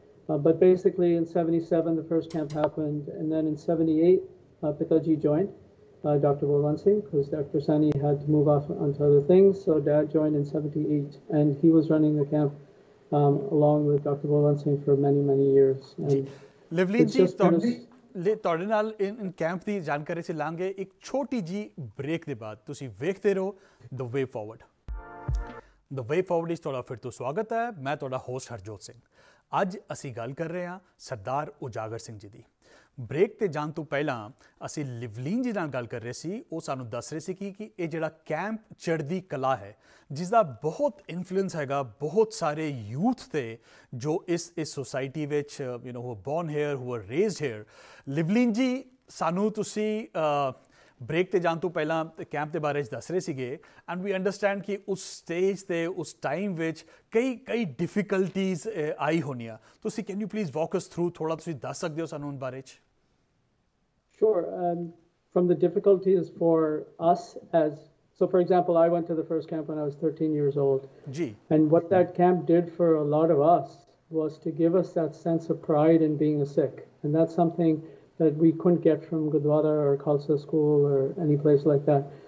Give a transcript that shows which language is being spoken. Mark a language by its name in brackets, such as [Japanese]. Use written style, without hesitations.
[English] But basically in 77, the first camp happened. And then in 78, Pitaji joined, Dr. Balwant Singh, because Dr. Sani had to move off onto other things. So Dad joined in 78 and he was running the camp along with Dr. Balwant Singh for many, many years. [Punjabi] Livleen ji, ਤੁਹਾਡੇ ਨਾਲ ਇਨ camp ਦੀ ਜਾਣਕਾਰੀ ਸੀ ਲਾਂਗੇ ਇੱਕ ਛੋਟੀ ਜੀ break ਦੇ ਬਾਅਦ। ਤੁਸੀਂ ਵੇਖਦੇ ਰਹੋ ਦ ਵੇ ਫਾਰਵਰਡ। ਦ ਵੇ ਫਾਰਵਰਡ ਇਸ ਤੁਹਾਡਾ ਫਿਰ ਤੋਂ ਸਵਾਗਤ ਹੈ। ਮੈਂ ਤੁਹਾਡਾ ਹੋਸਟ ਹਰਜੋਤ ਸਿੰਘ। ਅੱਜ ਅਸੀਂ ਗੱਲ ਕਰ ਰਹੇ ਹਾਂ ਸਰਦਾਰ ਉਜਾਗਰ ਸਿੰਘ ਜੀ ਦੀ। ਬ੍ਰੇਕ ਤੇ ਜਾਣ ਤੋਂ ਪਹਿਲਾਂ ਅਸੀਂ ਲਿਵਲੀਨ ਜੀ ਨਾਲ ਗੱਲ ਕਰ ਰਹੇ ਸੀ, ਉਹ ਸਾਨੂੰ ਦੱਸ ਰਹੇ ਸੀ ਕਿ ਇਹ ਜਿਹੜਾ ਕੈਂਪ ਚੜ੍ਹਦੀ ਕਲਾ ਹੈ ਜਿਸਦਾ ਬਹੁਤ ਇਨਫਲੂਐਂਸ ਹੈਗਾ ਬਹੁਤ ਸਾਰੇ ਯੂਥ 'ਤੇ ਜੋ ਇਸ ਸੋਸਾਇਟੀ ਵਿੱਚ [English] You know who born here who are raised here. [Punjabi] Livleen ਜੀ, ਸਾਨੂੰ ਤੁਸੀਂ ਬ੍ਰੇਕ 'ਤੇ ਜਾਣ ਤੋਂ ਪਹਿਲਾਂ ਕੈਂਪ ਦੇ ਬਾਰੇ 'ਚ ਦੱਸ ਰਹੇ ਸੀਗੇ, [English] and we understand [Punjabi] ਕਿ ਉਸ ਸਟੇਜ 'ਤੇ ਉਸ ਟਾਈਮ ਵਿੱਚ ਕਈ ਡਿਫੀਕਲਟੀਜ਼ ਆਈ ਹੋਣੀਆਂ, ਤੁਸੀਂ [English] can you please walk us through, [Punjabi] ਥੋੜ੍ਹਾ ਤੁਸੀਂ ਦੱਸ ਸਕਦੇ ਹੋ ਸਾਨੂੰ ਉਹ ਬਾਰੇ 'ਚ? [English] Sure. From the difficulties for us as, so for example, I went to the first camp when I was 13 years old. Gee. And what that camp did for a lot of us was to give us that sense of pride in being a Sikh. And that's something that we couldn't get from Gurdwara or Khalsa school or any place like that.